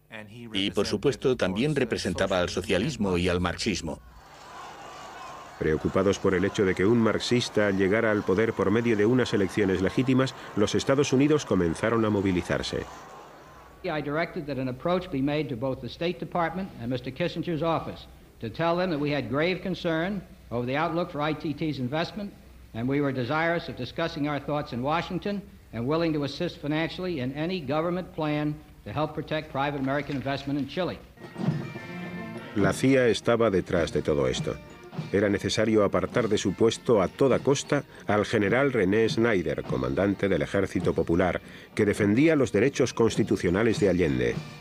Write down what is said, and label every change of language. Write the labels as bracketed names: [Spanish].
[Spanish] Y, por supuesto, también representaba al socialismo y al marxismo. Preocupados por el hecho de que un marxista llegara al poder por medio de unas elecciones legítimas, los Estados Unidos comenzaron a movilizarse. [English] I directed that an approach be made to both the State Department and Mr. Kissinger's office to tell them that we had grave concern over the outlook for ITT's investment and we were desirous of discussing our thoughts in Washington and willing to assist financially in any government plan to help protect private American investment in Chile. [Spanish] La CIA estaba detrás de todo esto. Era necesario apartar de su puesto a toda costa al general René Snyder, comandante del Ejército Popular, que defendía los derechos constitucionales de Allende.